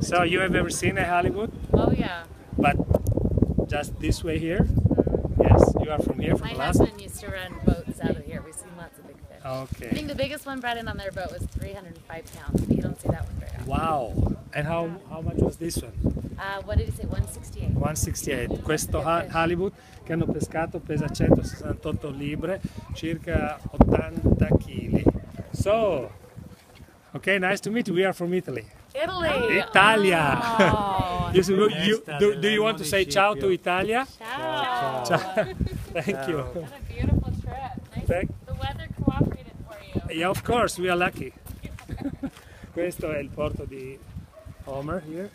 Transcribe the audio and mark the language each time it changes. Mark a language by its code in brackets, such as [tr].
[en] So you have ever seen a halibut? Oh yeah. But just this way here? Yes, you are from here, from my Alaska? My husband used to run boats out of here. We've seen lots of big fish. Okay. I think the biggest one brought in on their boat was 305 pounds. But you don't see that one very often. Wow. And how much was this one? What did he say? 168. 168. [it] Questo halibut che hanno pescato pesa 168 libbre, circa 80 kg. [en] So, okay, nice to meet you. We are from Italy. Italy. [it] Italia. Oh. [en] do you want to say ciao to Italia? [it] Ciao. [en] Ciao. Thank you. What a beautiful trip. Nice. The weather cooperated for you. Yeah, of course. We are lucky. [it] Questo è il porto di Homer [en] here.